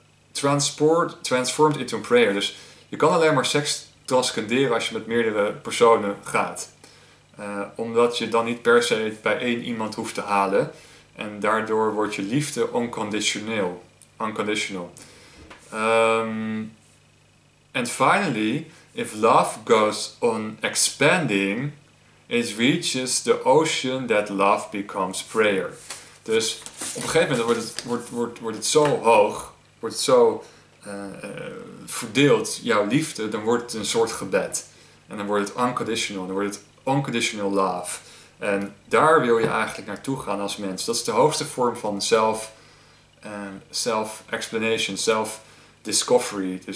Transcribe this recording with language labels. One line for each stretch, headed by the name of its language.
English: Transformed into a prayer.
Dutch: Dus je kan alleen maar seks transcenderen als je met meerdere personen gaat. Omdat je dan niet per se bij één iemand hoeft te halen. En daardoor wordt je liefde unconditioneel.
English: And finally, if love goes on expanding, it reaches the ocean that love becomes prayer.
Dutch: Dus op een gegeven moment wordt het zo hoog. Wordt het zo verdeeld, jouw liefde, dan wordt het een soort gebed. En dan wordt het unconditional, dan wordt het unconditional love. En daar wil je eigenlijk naartoe gaan als mens. Dat is de hoogste vorm van self-explanation, self-discovery.